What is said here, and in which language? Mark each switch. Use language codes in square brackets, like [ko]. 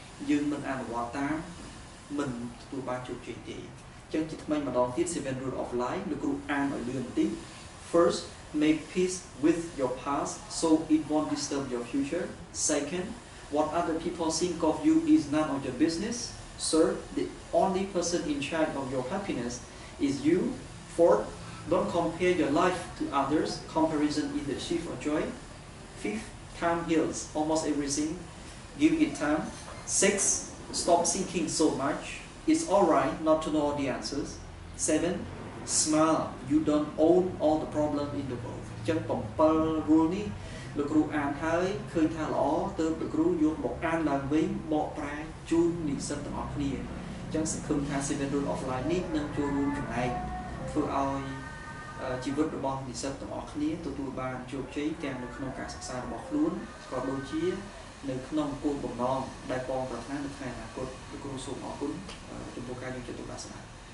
[km] យើងមិនអនុវត្តតាមមិនទទួលបានជោគជ័យទេអញ្ចឹងជាថ្មីម្ដងទៀត7 rule of life លោកគ្រូអានឲ្យលឿនបន្តិច [en] First make peace with your past so it won't disturb your future Second what other people think of you is none of your business Third the only person in charge of your happiness is you Fourth don't compare your life to others comparison is the thief of joy5. Time heals almost everything. Give it time. 6. Stop seeking so much. It's alright not to know all the answers. 7. Smile. You don't own all the problems in the world. [km] ចឹង7 rule នេះលោកគ្រូអានហើយឃើញថាល្អទើបលោកគ្រូយកមកអានឡើងវិញបកប្រែជូននិស្សិតទាំងអស់គ្នាចឹងសង្ឃឹមថា7 rule of life នេះនឹងចូលរួមចំណែកធ្វើឲ្យជីវិតរបស់និស្សិតទាំងអស់គ្នាទទួលបានជោគជ័យទាំងនៅក្នុងការសិក្សារបស់ខ្លួនក៏ដូចជានៅក្នុងគោលបំណងដែលបងប្រាថ្នានៅថ្ងៃអនាគតលោកគ្រូសូមអរគុណចំពោះការយកចិត្តទុកដាក់ស្ដាប់